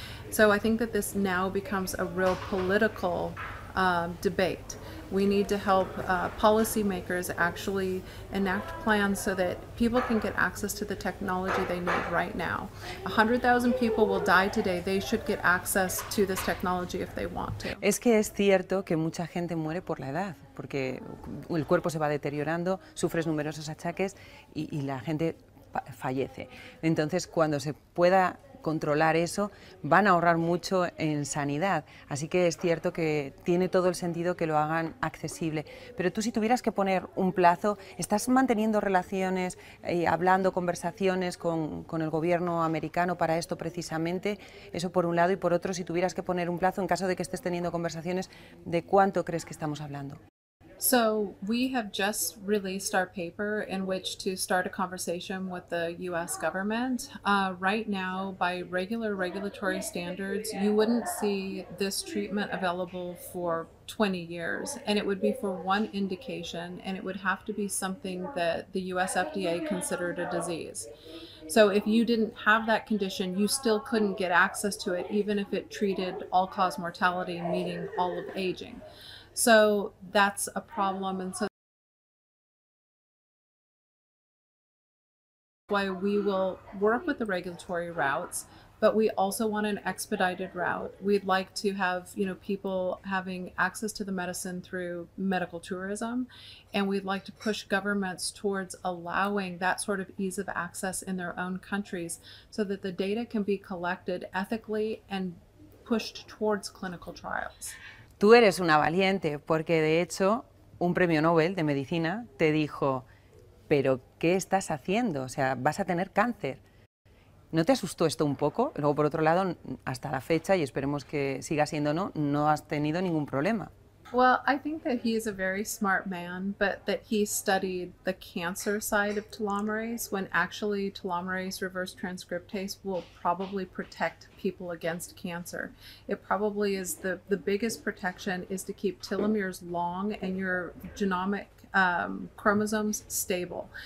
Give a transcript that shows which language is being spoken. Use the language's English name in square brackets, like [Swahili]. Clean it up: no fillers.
[English] So I think that this now becomes a real political debate. We need to help policymakers actually enact plans so that people can get access to the technology they need right now. 100,000 people will die today. They should get access to this technology if they want to. [Spanish] Es que es cierto que mucha gente muere por la edad, porque el cuerpo se va deteriorando, sufres numerosos achaques y la gente fallece. Entonces, cuando se pueda controlar eso, van a ahorrar mucho en sanidad. Así que es cierto que tiene todo el sentido que lo hagan accesible. Pero tú, si tuvieras que poner un plazo, ¿estás manteniendo relaciones, hablando, conversaciones con el gobierno americano para esto precisamente? Eso por un lado. Y por otro, si tuvieras que poner un plazo, en caso de que estés teniendo conversaciones, ¿de cuánto crees que estamos hablando? [English] So we have just released our paper in which to start a conversation with the U.S. government. Right now, by regular regulatory standards, you wouldn't see this treatment available for 20 years, and it would be for one indication, and it would have to be something that the U.S. FDA considered a disease. So if you didn't have that condition, you still couldn't get access to it, even if it treated all-cause mortality, meaning all of aging. So that's a problem, and so that's why we will work with the regulatory routes, but we also want an expedited route. We'd like to have, you know, people having access to the medicine through medical tourism, and we'd like to push governments towards allowing that sort of ease of access in their own countries so that the data can be collected ethically and pushed towards clinical trials. [Spanish] Tú eres una valiente porque, de hecho, un premio Nobel de medicina te dijo, pero ¿qué estás haciendo? O sea, vas a tener cáncer. ¿No te asustó esto un poco? Luego, por otro lado, hasta la fecha, y esperemos que siga siendo no, no has tenido ningún problema. [English] Well, I think that he is a very smart man, but that he studied the cancer side of telomerase when actually telomerase reverse transcriptase will probably protect people against cancer. It probably is the biggest protection is to keep telomeres long and your genomic chromosomes stable.